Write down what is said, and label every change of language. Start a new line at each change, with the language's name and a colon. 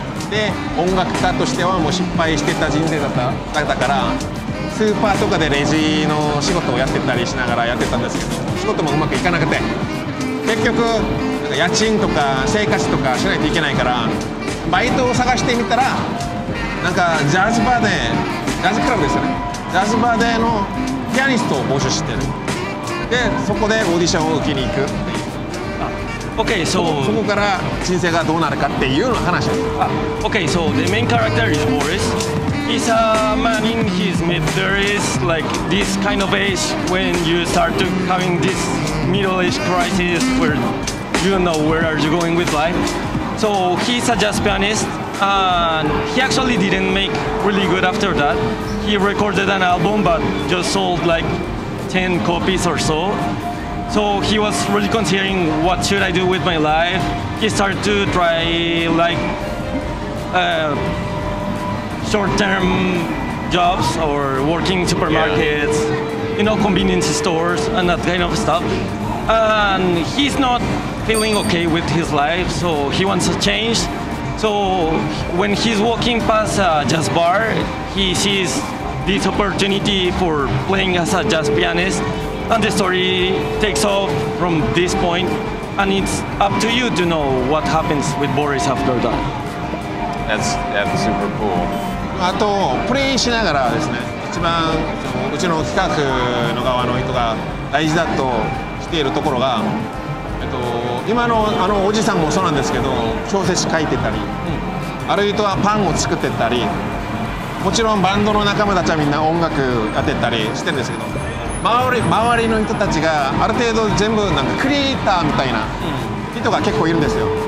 Japanese: で、音楽家としてはもう失敗してた人生だったから、スーパーとかでレジの仕事をやってたりしながらやってたんですけど、仕事もうまくいかなくて、結局なんか家賃とか生活とかしないといけないから、バイトを探してみたら、なんかジャズバーで、ジャズクラブですよね、ジャズバーでのピアニストを募集してる。で、そこでオーディションを受けに行く。
English: Okay, so
Japanese: そこから人生がどうなるかっていうの話です。
English: Okay, so the main character is Boris. He's a man in his mid-30s, like this kind of age when you start to having this middle-age crisis where you don't know where are you going with life. So he's a jazz pianist, and he actually didn't make really good after that. He recorded an album, but just sold like 10 copies or so. So he was really considering, what should I do with my life? He started to try like short-term jobs or working in supermarkets, yeah. You know, convenience stores and that kind of stuff. And he's not feeling okay with his life, so he wants a change. So when he's walking past a jazz bar, he sees this opportunity for playing as a jazz pianist. And the story takes off from this point, and it's up to you to know what happens with Boris after that. That's super cool.
Japanese: あとプレイしながらですね、一番うちの企画の側の人が大事だとしているところが、今のあのおじさんもそうなんですけど、小説書いてたり、あるいはパンを作ってたり、もちろんバンドの仲間たちはみんな音楽やってたりしてるんですけど、周りの人たちがある程度全部なんかクリエイターみたいな人が結構いるんですよ。